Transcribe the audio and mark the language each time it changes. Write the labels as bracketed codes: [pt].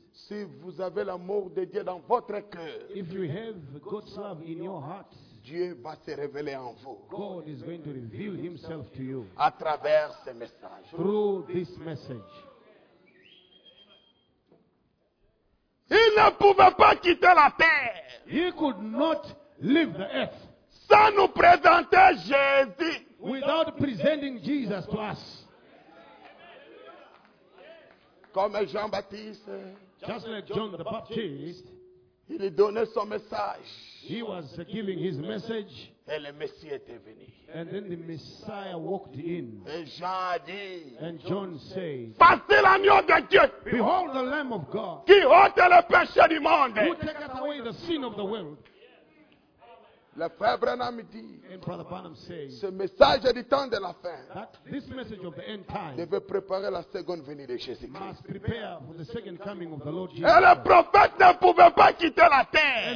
[fr] Si vous avez l'amour de Dieu dans votre cœur. [en] If you have God's love in your heart. [fr] Dieu va se révéler en vous. [en] God is going to reveal himself to you. [fr] À travers ce message. [en] Through this message. [fr] Il ne pouvait pas quitter la terre. [en] He could not leave the earth. [fr] Sans nous présenter Jésus. [en] Without presenting Jesus to us. [fr] Comme Jean-Baptiste. [en] Just like John the Baptist. [fr] Il donnait son message. [en] He was giving his message. [fr] Et le Messie était venu. [en] And then the Messiah walked in. [fr] Et Jean dit, [en] and John said. [fr] Passé l'agneau de Dieu. [en] Behold the Lamb of God. [fr] Qui ôte le péché du monde. [en] Who taketh away the sin of the world. [fr] Le frère Branham dit. [en] And Brother Branham said. [fr] Ce message du temps de la fin. [en] That this message of the end time. [fr] Devait préparer la seconde venue de Jésus Christ. [en] Must prepare for the second coming of the Lord Jesus. [fr] Et le prophète ne pouvait pas quitter la terre.